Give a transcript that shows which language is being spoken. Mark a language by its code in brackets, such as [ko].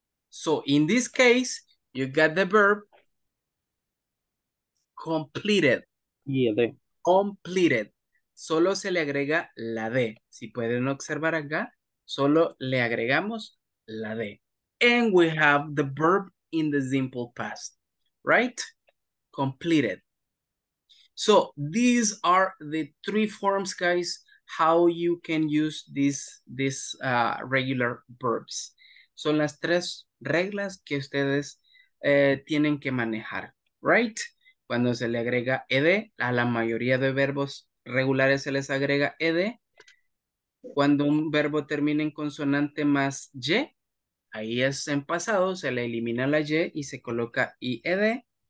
[en] So in this case, you got the verb completed. Yeah, [es] completed. Solo se le agrega la D. Si pueden observar acá, solo le agregamos la D. [en] And we have the verb in the simple past, right? Completed. So these are the three forms, guys, how you can use these regular verbs. [es] Son las tres reglas que ustedes tienen que manejar, right? Cuando se le agrega ed, a la mayoría de verbos regulares se les agrega ed. Cuando un verbo termina en consonante más y, ahí es en pasado, se le elimina la Y y se coloca IED.